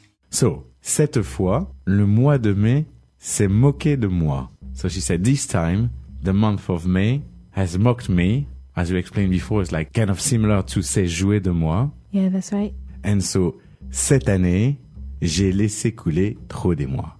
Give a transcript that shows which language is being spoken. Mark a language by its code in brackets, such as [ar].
[fr] So, cette fois, le mois de mai s'est moqué de moi. [en] So she said, this time, the month of May has mocked me. As we explained before, it's like kind of similar to [fr] s'est joué de moi. [en] Yeah, that's right. And so, [fr] cette année, j'ai laissé couler trop des mois.